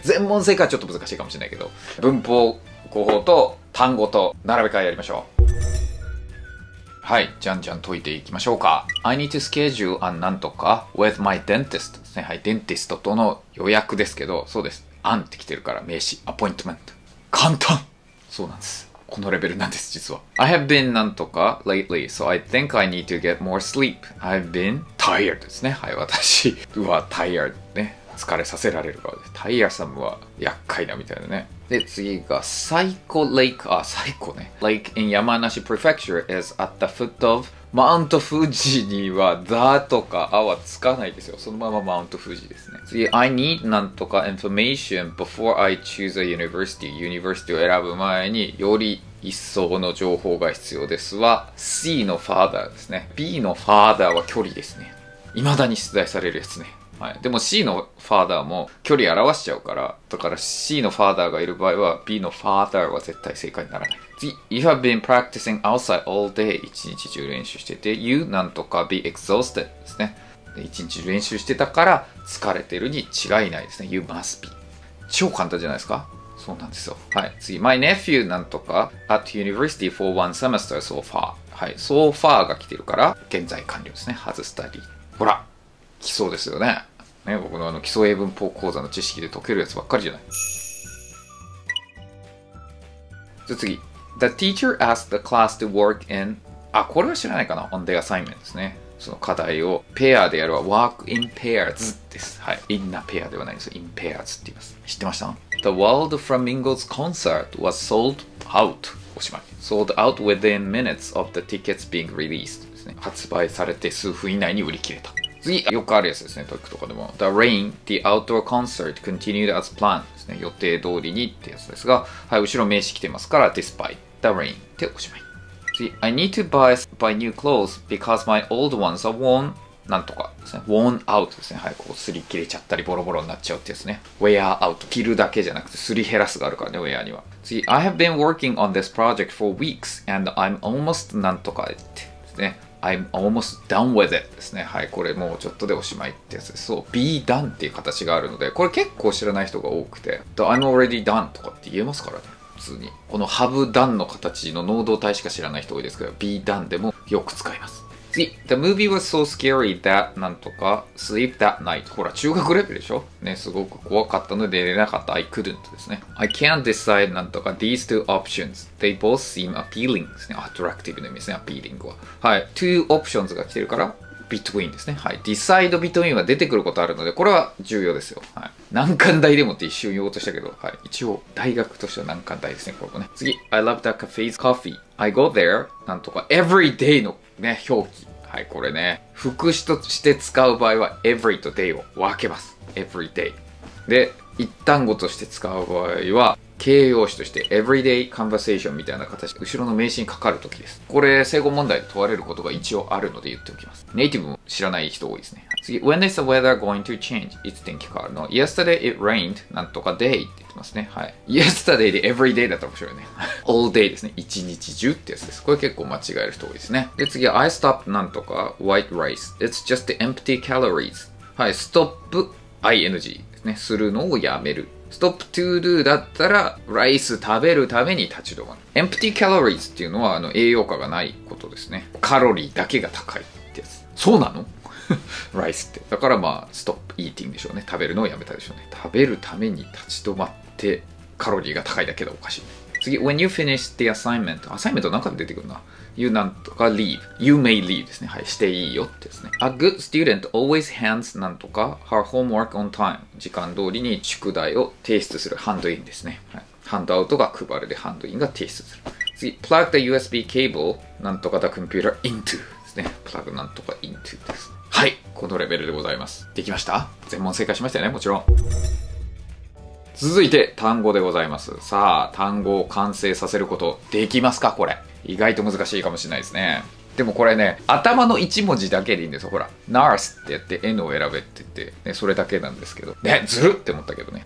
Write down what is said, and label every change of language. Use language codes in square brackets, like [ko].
[ja] 全問正解はちょっと難しいかもしれないけど、文法、語法と単語と並べ替えやりましょう。はい、じゃんじゃん解いていきましょうか。 [en] I need to schedule an [ja] なんとか [en] with my dentist [ja] ですね。はい、デンティストとの予約ですけど、そうです。 an って来てるから名詞、appointment。簡単。そうなんです。このレベルなんです、実は。 [en] I have been なんとか lately, so I think I need to get more sleep. I've been tired ですね。 [ja] はい、私。うわ、tired ね。疲れさせられる側です。tiresome は厄介だみたいなね。 [en] で、次が、Psycho Lake, あ、Psycho ね。 Lake in Yamanashi Prefecture is at the foot of Mount Fuji [ja] には、だとか、あはつかないですよ。そのまま Mount Fuji ですね。 [en] 次、I need [ja] なんとか [en] information before I choose a university. [ja] University を選ぶ前に、より一層の情報が必要ですは、C の father ですね。 B の father は距離ですね。未だに出題されるやつね。はい、でも C のファーダーも距離表しちゃうから、だから C のファーダーがいる場合は B のファーダーは絶対正解にならない。 [en] 次、 If I've been practicing outside all day [ja] 一日中練習してて [en] You なんとか be exhausted ですね。 [ja] で、一日中練習してたから疲れてるに違いないですね。 [en] You must be [ja] 超簡単じゃないですか。そうなんですよ。 [en] はい、次、 My nephew なんとか at university for one semester so far。 [ja] はい、 so far が来てるから現在完了ですね。 [en] has studied。 [ja] ほら、基礎ですよ ね、僕のあの基礎英文法講座の知識で解けるやつばっかりじゃない。 [en] じゃあ次、 The teacher asked the class to work in、 [ja] あ、これは知らないかな。 [en] On the assignment ですね。 [ja] その課題をペアでやるは Work in pairs です。はい、 In a pair ではないです。In pairs って言います。知ってました？ [en] The World Flamingos concert was sold out。 [ja] おしまい。 [en] Sold out within minutes of the tickets being released ですね。 [ja] 発売されて数分以内に売り切れた。次、よくあるやつですね、トイックとかでも。 [en] The rain, the outdoor concert continued as planned [ja] ですね。予定通りにってやつですが、はい、後ろ名詞来てますから、 [en] despite the rain [ja] っておしまい。 [en] 次、 I need to buy new clothes because my old ones are worn, なんとかですね。 worn out ですね。 [ja] はい、こう、擦り切れちゃったり、ボロボロになっちゃうってやつね。 [en] wear out。 [ja] 着るだけじゃなくて、擦り減らすがあるからね、wear には。 [en] 次、I have been working on this project for weeks and I'm almost なんとかってですね。 I'm almost done with it ですね。 [ja] はい、これもうちょっとでおしまいってやつです。そう、be done っていう形があるので、これ結構知らない人が多くて、 [en] I'm already done [ja] とかって言えますからね、普通に。この have done の形の能動態しか知らない人多いですけど、be done でもよく使います。 [en] 次、The movie was so scary that なんとか sleep that night。 [ja] ほら、中学レベルでしょ？ね、すごく怖かったので寝れなかった。 [en] I couldn't ですね。 I can't decide なんとか these two options. They both seem appealing ですね。 [ja] attractive の意味ですね。 appealing は。はい。 two options が来てるから、between ですね。はい。decide between は出てくることあるので、これは重要ですよ。はい。難関大でもって一瞬言おうとしたけど、はい。一応、大学としては難関大ですね、これもね。 [en] 次、I love that cafe's coffee. I go there なんとか every day のね、表記。 [ja] はい、これね。副詞として使う場合は、every と day を分けます。 [en] every day。 [ja] で、一単語として使う場合は、形容詞として、everyday conversation みたいな形、後ろの名詞にかかるときです。これ、正誤問題で問われることが一応あるので言っておきます。ネイティブも知らない人多いですね。 [en] 次、when is the weather going to change? [ja] いつ天気変わるの ? [en] yesterday it rained, [ja] なんとか day って言ってますね。はい。 yesterday で everyday だったら面白いね。 all day ですね。一日中ってやつです。これ結構間違える人多いですね。 [en] で、次、I stopped [ja] なんとか [en] white rice. It's just the empty calories. [ja] はい、stop, ing ですね。するのをやめる。 stop to do だったら、ライス食べるために立ち止まる。 empty calories っていうのは、栄養価がないことですね。カロリーだけが高いってやつ。そうなの？ライスって。だからまあ、stop eating でしょうね。食べるのをやめたでしょうね。食べるために立ち止まって、カロリーが高いだけでおかしい。次、 [en] When you finish the assignment、 [ja] アサイメントなんかで出てくるな。 You なんとか leave、 [en] You may leave [ja] ですね、はい、していいよってですね。 [en] A good student always hands なんとか her homework on time、 [ja] 時間通りに宿題を提出する、ハンドインですね、はい、ハンドアウトが配るでハンドインが提出する。 [en] 次、 Plug the USB cable [ja] なんとか [en] the computer into ですね、 Plug なんとか into です。 [ja] はい、このレベルでございます。できました？全問正解しましたよね、もちろん。続いて単語でございます。さあ、単語を完成させることできますか？これ意外と難しいかもしれないですね。でもこれね、頭の1文字だけでいいんですよ。ほら、 Nurse ってやって N を選べって言って、ね、それだけなんですけどね、ずるって思ったけどね。